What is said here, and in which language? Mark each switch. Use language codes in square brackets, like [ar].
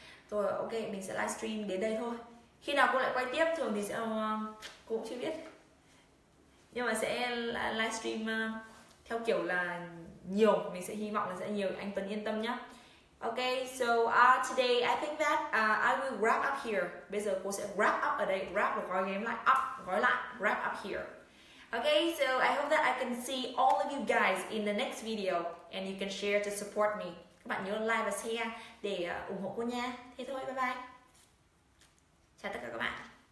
[vi] Rồi, ok, mình sẽ livestream đến đây thôi. Khi nào cô lại quay tiếp thường thì sẽ cô cũng chưa biết. Nhưng mà sẽ livestream theo kiểu là nhiều, mình sẽ hy vọng là sẽ nhiều, anh Tuấn yên tâm nhá. [en] Ok, so today I think that I will wrap up here. [vi] Bây giờ cô sẽ wrap up ở đây, wrap và gói game lại, up, gói lại, [en] wrap up here. Ok, so I hope that I can see all of you guys in the next video and you can share to support me. [vi] Các bạn nhớ like và share để ủng hộ cô nha. Thế thôi, bye bye. Chào tất cả các bạn.